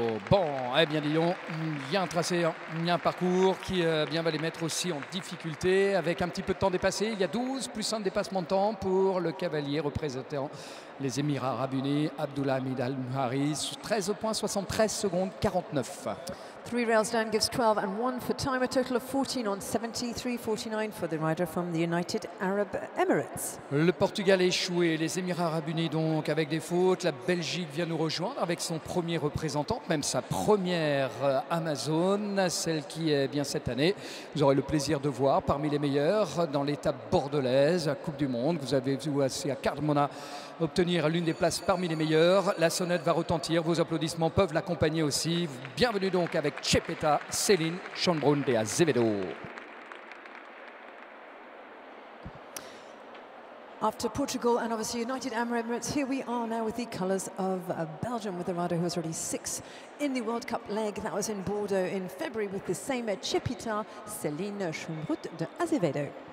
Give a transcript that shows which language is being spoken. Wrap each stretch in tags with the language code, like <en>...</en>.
<fr>Bon, eh bien, disons, il y a un tracé, il y a un parcours qui bien va les mettre aussi en difficulté avec un petit peu de temps dépassé. Il y a 12 plus 1 dépassement de temps pour le cavalier représentant les Émirats Arabes Unis, Abdullah Hamid Al-Muhari, 13 points, 73 secondes, 49.</fr> <en>3 rails down gives 12 and 1 for time, a total of 14 on 73-49 for the rider from the United Arab Emirates.</en> <fr>Le Portugal est échoué, les Émirats Arabes Unis donc avec des fautes, la Belgique vient nous rejoindre avec son premier représentant, même sa première Amazon, celle qui est bien cette année. Vous aurez le plaisir de voir parmi les meilleurs dans l'étape bordelaise, à Coupe du Monde, vous avez vu aussi à Cardamona obtenir l'une des places parmi les meilleures. La sonnette va retentir, vos applaudissements peuvent l'accompagner aussi. Bienvenue donc avec Chepeta, Céline, Schönbrunn de Azevedo.</fr> <en>After Portugal and obviously United Arab Emirates, here we are now with the colours of Belgium with a rider who was already sixth in the World Cup leg. That was in Bordeaux in February with the same Chepeta, Céline, Schönbrunn de Azevedo.</en>